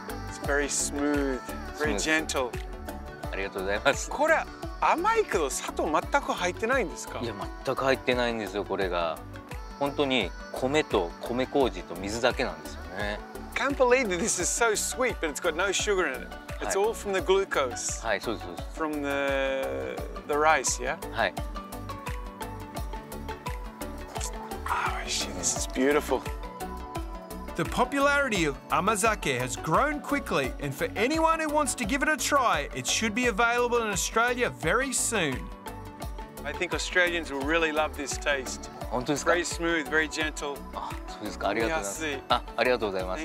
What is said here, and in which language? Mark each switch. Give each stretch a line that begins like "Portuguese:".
English: It's very smooth, very gentle.
Japanese: ありがとうございます。これ、甘いけど砂糖全く入ってないんですか? いや、全く入ってないんですよ、これが。本当に米と米麹と水だけなんですよね。
English: I can't believe that this is so sweet, but it's got no sugar in it. It's all from the glucose.
Japanese: はい、そうです、そうです。
English: From the rice, yeah?
Japanese: はい。
English: Oh, shit, this is beautiful. The popularity of amazake has grown quickly, and for anyone who wants to give it a try, it should be available in Australia very soon. I think Australians will really love this taste.
Japanese: 本当ですか?
English: Very smooth, very gentle.
Japanese: ありがとうございます。